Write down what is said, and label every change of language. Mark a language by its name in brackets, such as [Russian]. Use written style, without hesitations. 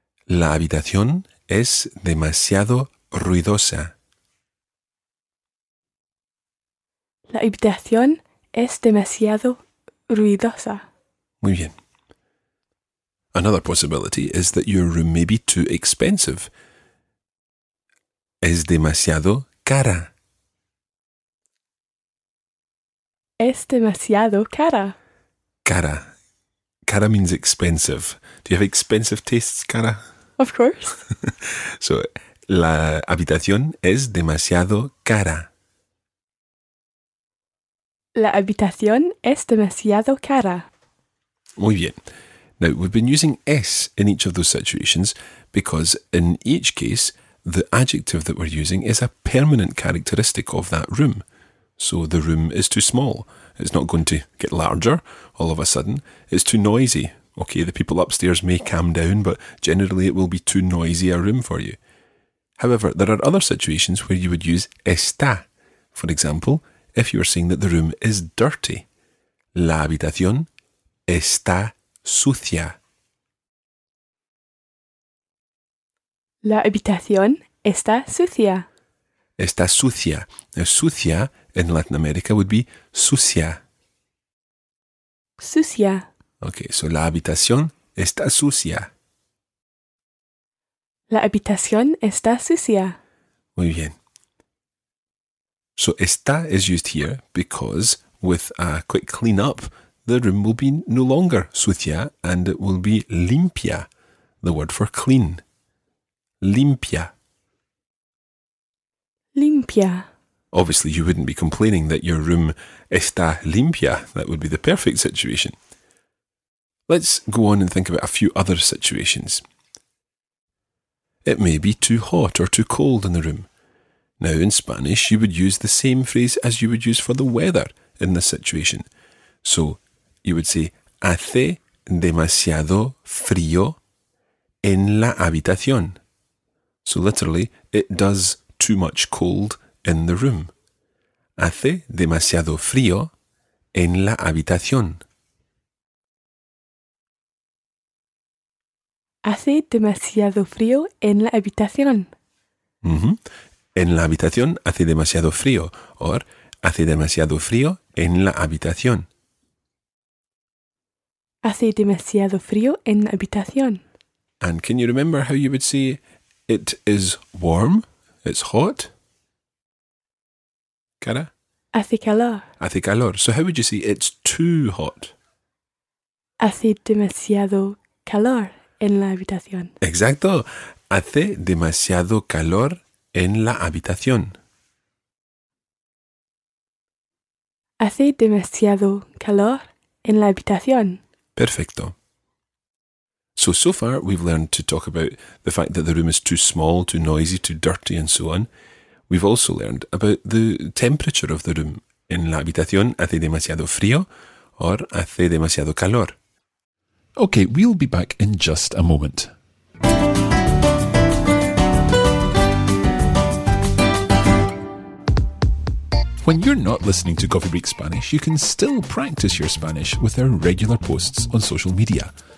[Spanish] La habitación es demasiado ruidosa. La habitación es demasiado ruidosa. Muy bien. [English] Another possibility is that your room may be too expensive. [Spanish] Es demasiado cara. Es demasiado cara. [English] Cara. Cara means expensive. Do you have expensive tastes, Cara? Of course. [Spanish] So, la habitación es demasiado cara. La habitación es demasiado cara. Muy bien. [English] Now, we've been using es in each of those situations because in each case, the adjective that we're using is a permanent characteristic of that room. So the room is too small. It's not going to get larger all of a sudden. It's too noisy. Okay, the people upstairs may calm down, but generally it will be too noisy a room for you. However, there are other situations where you would use está. For example, if you are saying that the room is dirty. [Spanish] La habitación está sucia. La habitación está sucia. Está sucia. [English] Now, sucia in Latin America would be sucia. [Spanish] Sucia. Okay, so la habitación está sucia. La habitación está sucia. Muy bien. [English] So está is used here because with a quick clean up, the room will be no longer sucia and it will be limpia, the word for clean. [Spanish] Limpia. Limpia. [English] Obviously, you wouldn't be complaining that your room está limpia. That would be the perfect situation. Let's go on and think about a few other situations. It may be too hot or too cold in the room. Now, in Spanish, you would use the same phrase as you would use for the weather in this situation. So, you would say, [Spanish] hace demasiado frío en la habitación. [English] So literally, it does too much cold in the room. [Spanish] Hace demasiado frío en la habitación. Hace demasiado frío en la habitación. Mm-hmm. En la habitación hace demasiado frío. Or, hace demasiado frío en la habitación. Hace demasiado frío en la habitación. [English] And can you remember how you would say it is warm? It's hot? Cara? [Spanish] Hace calor. Hace calor. [English] So how would you say it's too hot? [Spanish] Hace demasiado calor en la habitación. Exacto. Hace demasiado calor en la habitación. Hace demasiado calor en la habitación. Perfecto. [English] So far we've learned to talk about the fact that the room is too small, too noisy, too dirty and so on. We've also learned about the temperature of the room. [Spanish] En la habitación hace demasiado frío or hace demasiado calor. [English] Okay, we'll be back in just a moment. When you're not listening to Coffee Break Spanish, you can still practice your Spanish with our regular posts on social media.